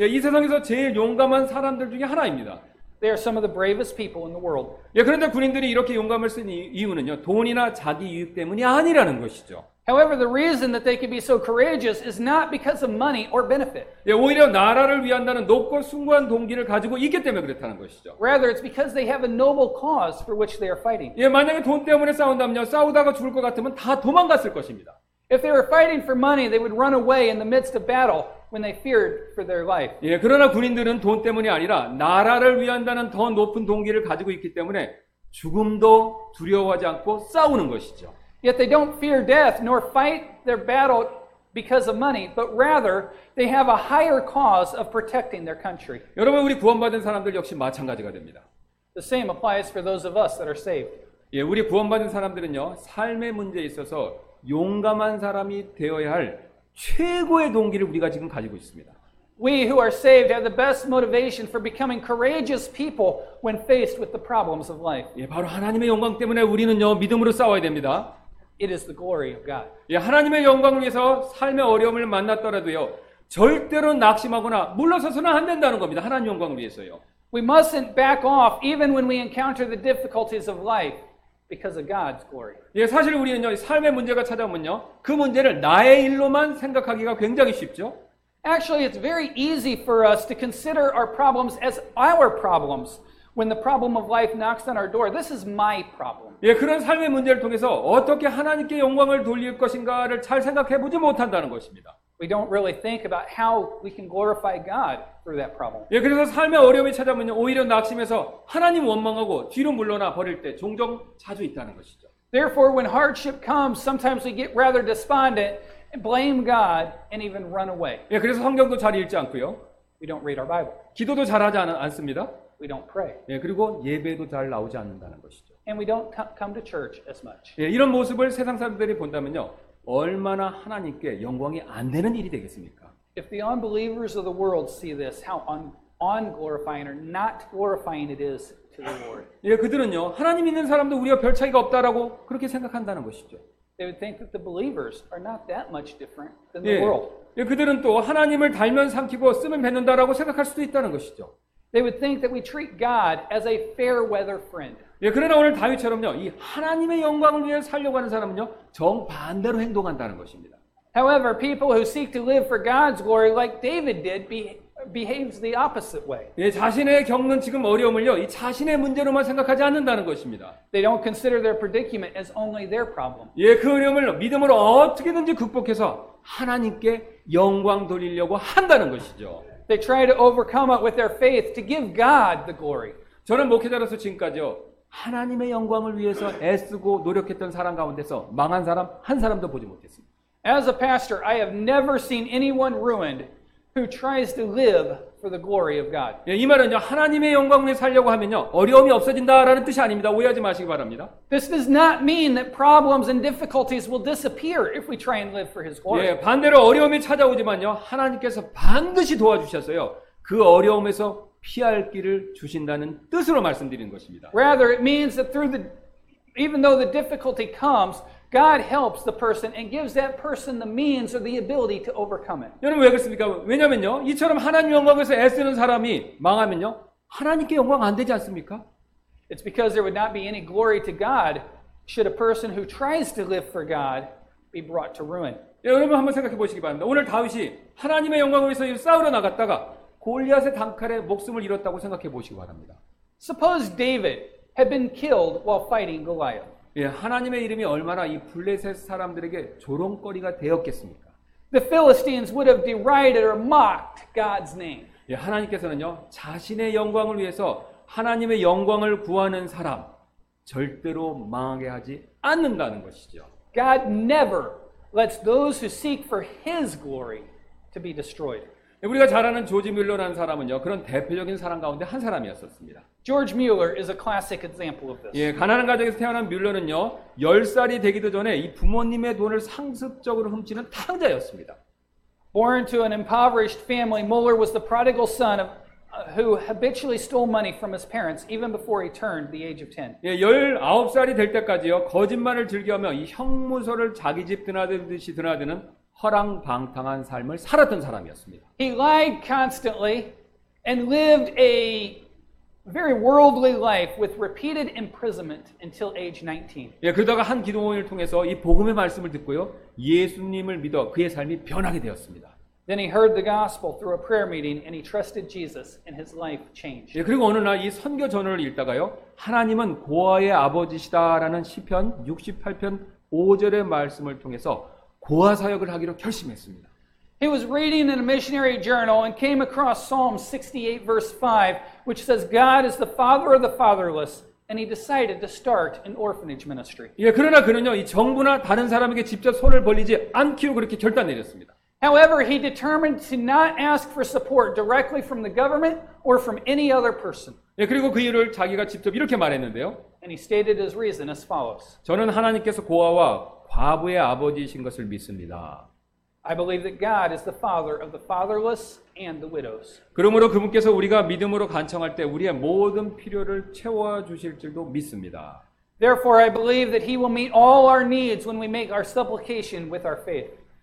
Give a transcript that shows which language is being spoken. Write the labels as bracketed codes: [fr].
[ko] 예, 이 세상에서 제일 용감한 사람들 중에 하나입니다. [en] They are some of the bravest people in the world. [ko] 예, 그런데 군인들이 이렇게 용감을 쓴 이유는요 돈이나 자기 유익 때문이 아니라는 것이죠. [en] However, the reason that they can be so courageous is not because of money or benefit. [ko] 예, 오히려 나라를 위한다는 높고 숭고한 동기를 가지고 있기 때문에 그렇다는 것이죠. [en] Rather, it's because they have a noble cause for which they are fighting. [ko] 예, 만약에 돈 때문에 싸운다면요, 싸우다가 죽을 것 같으면 다 도망갔을 것입니다. [en] If they were fighting for money, they would run away in the midst of battle when they feared for their life. [ko] 예, 그러나 군인들은 돈 때문이 아니라 나라를 위한다는 더 높은 동기를 가지고 있기 때문에 죽음도 두려워하지 않고 싸우는 것이죠. [en] Yet they don't fear death nor fight their battle because of money, but rather they have a higher cause of protecting their country. [ko] 여러분 우리 구원받은 사람들 역시 마찬가지가 됩니다. [en] The same applies for those of us that are saved. [ko] 예, 우리 구원받은 사람들은요 삶의 문제에 있어서 용감한 사람이 되어야 할 최고의 동기를 우리가 지금 가지고 있습니다. [en] We who are saved have the best motivation for becoming courageous people when faced with the problems of life. [ko] 예, 바로 하나님의 영광 때문에 우리는요 믿음으로 싸워야 됩니다. [en] It is the glory of God. [ko] 예, 하나님의 영광을 위해서 삶의 어려움을 만났더라도요 절대로 낙심하거나 물러서서는 안 된다는 겁니다. 하나님 영광을 위해서요. [en] We mustn't back off even when we encounter the difficulties of life because of God's glory. [ko] 예, 사실 우리는요 삶의 문제가 찾아오면요 그 문제를 나의 일로만 생각하기가 굉장히 쉽죠. [en] Actually, it's very easy for us to consider our problems as our problems when the problem of life knocks on our door. This is my problem. [ko] 예, 그런 삶의 문제를 통해서 어떻게 하나님께 영광을 돌릴 것인가를 잘 생각해 보지 못한다는 것입니다. [en] We don't really think about how we can glorify God through that problem. [ko] 예, 그래서 삶의 어려움이 찾아오면 오히려 낙심해서 하나님 원망하고 뒤로 물러나 버릴 때 종종 자주 있다는 것이죠. [en] Therefore, when hardship comes, sometimes we get rather despondent. Blame God and even run away. [ko] 예, 그래서 성경도 잘 읽지 않고요. [en] We don't read our Bible. [ko] 기도도 잘하지 않습니다. [en] We don't pray. [ko] 예, 그리고 예배도 잘 나오지 않는다는 것이죠. [en] And we don't come to church as much. [ko] 예, 이런 모습을 세상 사람들이 본다면요, 얼마나 하나님께 영광이 안 되는 일이 되겠습니까? [en] If the unbelievers of the world see this, how unglorifying or not glorifying it is to the Lord. [ko] 예, 그들은요, 하나님 있는 사람도 우리와 별 차이가 없다라고 그렇게 생각한다는 것이죠. [en] They would think that the believers are not that much different than the world. [ko] 예, 그들은 또 하나님을 달면 삼키고 쓰면 뱉는다라고 생각할 수도 있다는 것이죠. [en] They would think that we treat God as a fair weather friend. [ko] 예, 그러나 오늘 다윗처럼요, 이 하나님의 영광을 위해 살려고 하는 사람은요, 정반대로 행동한다는 것입니다. [en] However, people who seek to live for God's glory like David did behaves the opposite way. [ko] 예, 자신의 겪는 지금 어려움을요, 이 자신의 문제로만 생각하지 않는다는 것입니다. [en] They don't consider their predicament as only their problem. [ko] 예, 그 어려움을 믿음으로 어떻게든지 극복해서 하나님께 영광 돌리려고 한다는 것이죠. [en] They try to overcome it with their faith to give God the glory. [ko] 저는 목회자로서 지금까지요, 하나님의 영광을 위해서 애쓰고 노력했던 사람 가운데서 망한 사람 한 사람도 보지 못했습니다. [en] As a pastor, I have never seen anyone ruined who tries to live for the glory of God. [ko] 예, 이 말은요, 하나님의 영광을 살려고 하면요, 어려움이 없어진다라는 뜻이 아닙니다. 오해하지 마시기 바랍니다. [en] This does not mean that problems and difficulties will disappear if we try and live for his glory. [ko] 예, 반대로 어려움이 찾아오지만요, 하나님께서 반드시 도와주셔서요, 그 어려움에서 피할 길을 주신다는 뜻으로 말씀드리는 것입니다. [en] Rather, it means that through the even though the difficulty comes, God helps the person and gives that person the means or the ability to overcome it. [ko] 여러분 왜 그렇습니까? 왜냐면요. 이처럼 하나님 영광을 위해서 애쓰는 사람이 망하면요. 하나님께 영광 안 되지 않습니까? [en] It's because there would not be any glory to God should a person who tries to live for God be brought to ruin. [ko] 예, 여러분 한번 생각해 보시기 바랍니다. 오늘 다윗이 하나님의 영광을 위해서 싸우러 나갔다가 골리앗의 단칼에 목숨을 잃었다고 생각해 보시기 바랍니다. [en] Suppose David had been killed while fighting Goliath. [ko] 예, 하나님의 이름이 얼마나 이 블레셋 사람들에게 조롱거리가 되었겠습니까? [en] The Philistines would have derided or mocked God's name. [ko] 예, 하나님께서는요, 자신의 영광을 위해서 하나님의 영광을 구하는 사람 절대로 망하게 하지 않는다는 것이죠. [en] God never lets those who seek for his glory to be destroyed. [ko] 예, 우리가 잘 아는 조지 뮬러라는 사람은요, 그런 대표적인 사람 가운데 한 사람이었습니다. [en] George Mueller is a classic example of this. [ko] 예, 가난한 가정에서 태어난 뮬러는요, 10살이 되기도 전에 이 부모님의 돈을 상습적으로 훔치는 탕자였습니다. [en] Born to an impoverished family, Mueller was the prodigal son of who habitually stole money from his parents even before he turned the age of 10. [ko] 예, 19살이 될 때까지요. 거짓말을 즐겨하며 이 형무소를 자기 집 드나들듯이 드나드는 허랑방탕한 삶을 살았던 사람이었습니다. [en] He lied constantly and lived a very worldly life with repeated imprisonment until age 19. [ko] 예, 그러다가 한 기도원을 통해서 이 복음의 말씀을 듣고요. 예수님을 믿어 그의 삶이 변하게 되었습니다. [en] Then he heard the gospel through a prayer meeting and he trusted Jesus and his life changed. [ko] 예, 그리고 어느 날 이 선교 전을 읽다가요. 하나님은 고아의 아버지시다라는 시편 68편 5절의 말씀을 통해서 고아 사역을 하기로 결심했습니다. [en] He was reading in a missionary journal and came across Psalm 68 verse 5 which says God is the father of the fatherless and he decided to start an orphanage ministry. [ko] 예, 그러나 그는요. 이 정부나 다른 사람에게 직접 손을 벌리지 않기로 그렇게 결단 내렸습니다. [en] However, he determined to not ask for support directly from the government or from any other person. [ko] 예, 그리고 그 이유를 자기가 직접 이렇게 말했는데요. [en] And he stated his reason as follows. [ko] 저는 하나님께서 고아와 과부의 아버지이신 것을 믿습니다. [en] I believe that God is the father of the fatherless and the widows. [ko] 그러므로 그분께서 우리가 믿음으로 간청할 때 우리의 모든 필요를 채워 주실 줄도 믿습니다. [en] Therefore, I believe that he will meet all our needs when we make our supplication with our faith.